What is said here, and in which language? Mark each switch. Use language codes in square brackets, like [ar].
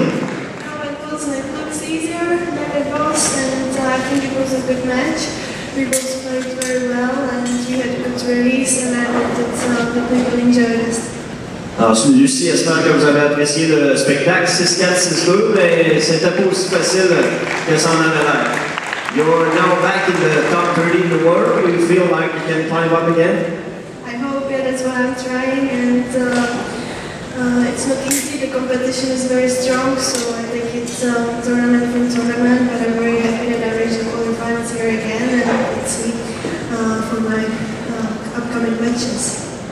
[en] No, it was easier than it was, and I think it was a good match. We both played very well, and he had a good release, and I hope that the people enjoyed it. [fr] Alors, Lucie, j'espère que vous avez apprécié le spectacle 6-4-6-2, mais c'était pas aussi facile que ça en avait l'air. [en] You are now back in the top 30 in the world. Do you feel like you can climb up again? I hope, yeah, that's what I'm trying, and it's not easy. The competition is very strong, so I think it's a tournament from tournament, but I'm very happy that I reached the quarterfinals here again, and I can see for my upcoming matches.